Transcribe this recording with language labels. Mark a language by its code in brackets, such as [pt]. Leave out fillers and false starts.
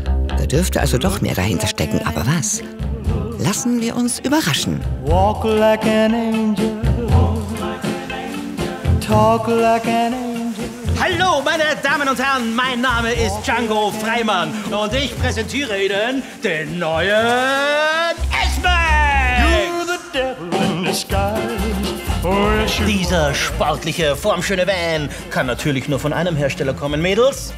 [de] Da dürfte also doch mehr dahinter stecken, aber was? Lassen wir uns überraschen. [en] Walk like an angel. Talk like an angel. [de] Hallo, meine Damen und Herren, mein Name ist Django Freimann und ich präsentiere Ihnen den neuen S-Max! [en] You're the devil in disguise. [de] Dieser sportliche, formschöne Van kann natürlich nur von einem Hersteller kommen, Mädels.